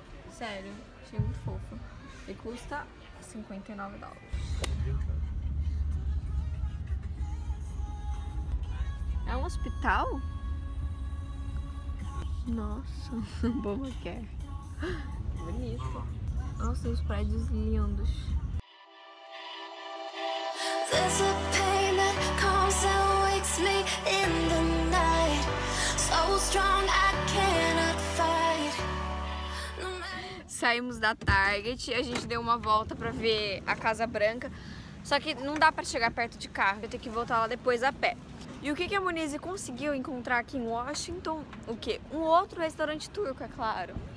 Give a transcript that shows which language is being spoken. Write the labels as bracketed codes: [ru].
[pt] Sério, achei muito fofa. E custa 59 dólares. É um hospital? Nossa, boa que é. Bonito. Nossa, os prédios lindos. [en] There's a pain that comes and wakes me in the night. So strong I cannot fight. [pt] Saímos da Target, a gente deu uma volta pra ver a Casa Branca. Só que não dá pra chegar perto de carro, eu tenho que voltar lá depois a pé. E o que a Moniz conseguiu encontrar aqui em Washington? O quê? Um outro restaurante turco, é claro.